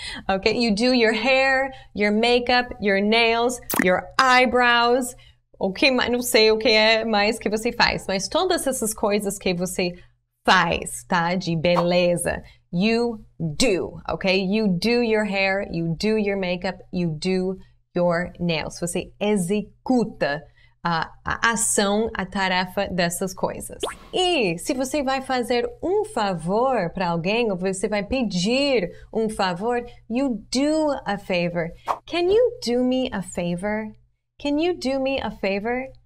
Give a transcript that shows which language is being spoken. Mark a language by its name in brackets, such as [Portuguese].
[English] Okay, you do your hair, your makeup, your nails, your eyebrows. [Portuguese] Okay, não sei o que é mais que você faz, mas todas essas coisas que você faz, tá? De beleza. [English] You do, okay? You do your hair, you do your makeup, you do your nails. [Portuguese] Você executa a ação, a tarefa dessas coisas. E se você vai fazer um favor para alguém, ou você vai pedir um favor, [English] you do a favor. Can you do me a favor? Can you do me a favor?